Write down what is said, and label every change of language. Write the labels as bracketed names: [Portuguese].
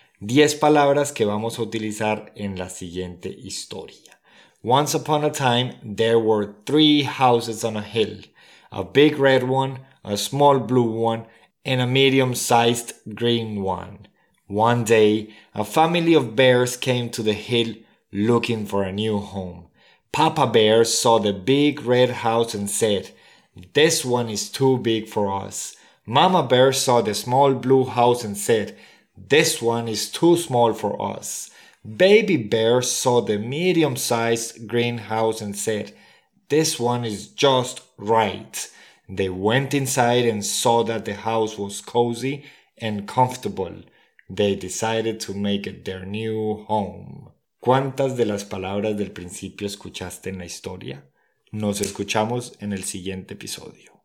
[Spanish] 10 palabras que vamos a utilizar en la siguiente historia. [English] Once upon a time, there were 3 houses on a hill. A big red one, a small blue one, and a medium-sized green one. One day, a family of bears came to the hill looking for a new home. Papa Bear saw the big red house and said, "This one is too big for us." Mama Bear saw the small blue house and said, "This one is too small for us." Baby Bear saw the medium-sized green house and said, "This one is just right." They went inside and saw that the house was cozy and comfortable. They decided to make it their new home. [Spanish] ¿Cuántas de las palabras del principio escuchaste en la historia? Nos escuchamos en el siguiente episodio.